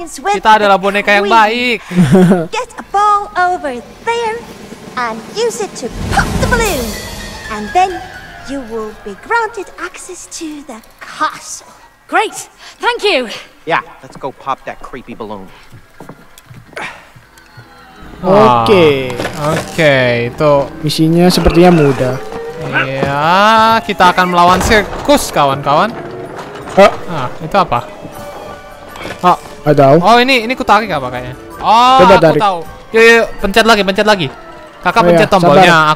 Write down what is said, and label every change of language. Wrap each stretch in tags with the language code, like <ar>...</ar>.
<id>Kita adalah boneka yang baik.</id> <en>Get a ball over there and use it to pop the balloon. And then you will be granted access to the castle. Great, thank you. Yeah, let's go pop that creepy balloon.</en> <id>Oke, okay, itu misinya sepertinya mudah. Iya, kita akan melawan sirkus, kawan-kawan. Ah, itu apa? Oh, ada. Oh, ini ku tarik apa kayaknya? Oh, coba aku tarik. Tahu. Yuk, pencet lagi. Kakak pencet tombolnya, sabar.</id>